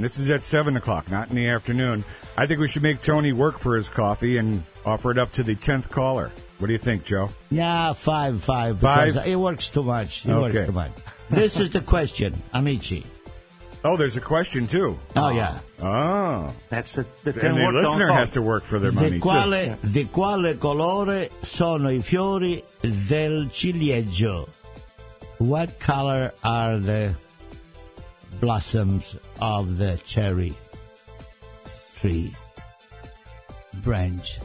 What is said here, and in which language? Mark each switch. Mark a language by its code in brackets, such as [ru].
[en] This is at 7 o'clock, not in the afternoon. I think we should make Tony work for his coffee and offer it up to the 10th caller. What do you think, Joe? Yeah, five. Because it works too much. It works too much. This is the question, [it] Amici. [en] Oh, there's a question, too. Oh, yeah. Oh. That's the and the listener has to work for their money, too. [it] Di quale colore sono I fiori del ciliegio? [en] What color are the blossoms of the cherry tree branch?